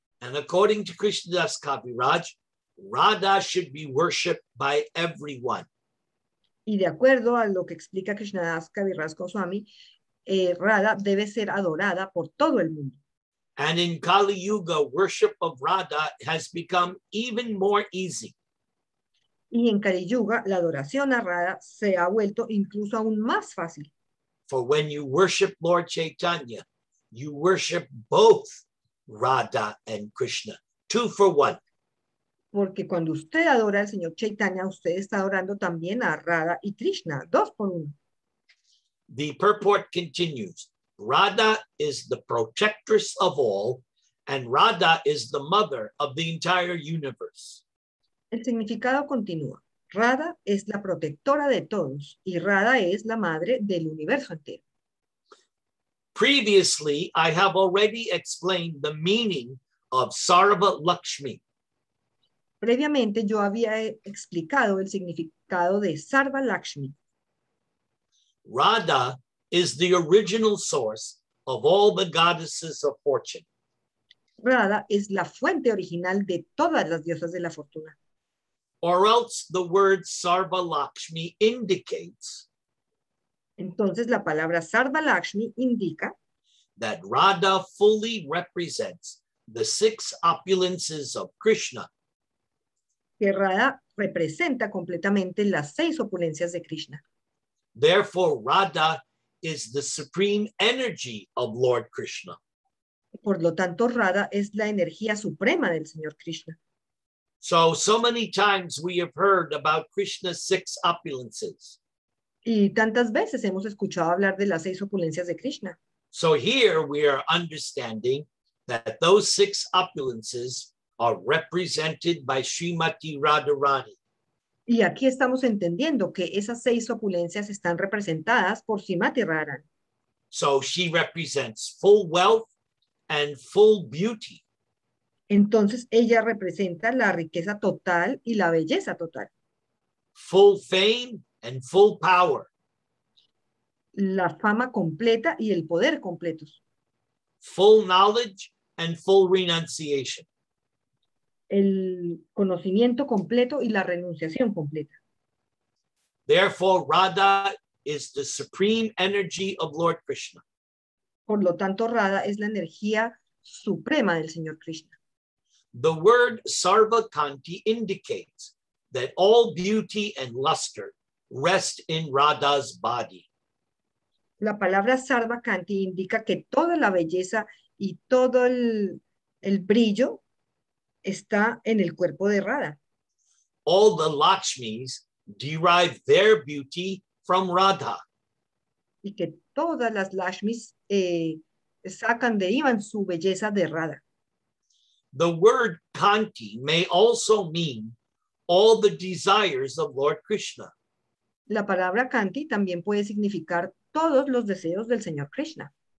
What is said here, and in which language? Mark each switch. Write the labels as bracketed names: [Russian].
[English] And according to Krishnadas Kaviraj, Radha should be worshipped by everyone. [Spanish] Y de acuerdo a lo que explica Krishnadas Kaviraj Goswami, Radha debe ser adorada por todo el mundo. [English] And in Kali Yuga, worship of Radha has become even more easy. [Spanish] Y en Kali Yuga, la adoración a Radha se ha vuelto incluso aún más fácil. [English] For when you worship Lord Chaitanya, You worship both Radha and Krishna, two for one. [Spanish] Porque cuando usted adora al señor Chaitanya, usted está adorando también a Radha y Krishna, dos por uno. [English] The purport continues. Radha is the protectress of all, and Radha is the mother of the entire universe. [Spanish] El significado continúa. Radha es la protectora de todos, y Radha es la madre del universo entero. [English] Previously, I have already explained the meaning of Sarva Lakshmi. [Spanish] Previamente, yo había explicado el significado de Sarva Lakshmi. [English] Radha is the original source of all the goddesses of fortune. [Spanish] Radha es la fuente original de todas las diosas de la fortuna. [English] Or else the word Sarva Lakshmi indicates. [Spanish] Entonces la palabra Sarva Lakshmi indica [English] that Radha fully represents the six opulences of Krishna. [Spanish] Que Radha representa completamente las seis opulencias de Krishna. [English] Therefore, Radha is the supreme energy of Lord Krishna. [Spanish] Por lo tanto, Radha es la energía suprema del Señor Krishna. [English] So many times we have heard about Krishna's six opulences. [Spanish] Y tantas veces hemos escuchado hablar de las seis opulencias de Krishna. [English] So here we are understanding that those six opulences are represented by Srimati Radharani. [Spanish] Y aquí estamos entendiendo que esas seis opulencias están representadas por Srimati Radharani. [English] So she represents full wealth and full beauty. [Spanish] Entonces ella representa la riqueza total y la belleza total. [English] Full fame and full power. [Spanish] La fama completa y el poder completos. [English] Full knowledge and full renunciation. [Spanish] El conocimiento completo y la renunciación completa. [English] Therefore, Radha is the supreme energy of Lord Krishna. [Spanish] Por lo tanto, Radha es la energía suprema del Señor Krishna. [English] The word Sarva Kanti indicates that all beauty and luster rest in Radha's body. [Spanish] La palabra Sarva Kanti indica que toda la belleza y todo el brillo está en el cuerpo de Radha. [English] All the Lakshmis derive their beauty from Radha. [Spanish] Y que todas las Lakshmis sacan, derivan su belleza de Radha. [English] The word Kanti may also mean all the desires of Lord Krishna. [Spanish] La palabra Kanti también puede significar todos los deseos del Señor Krishna.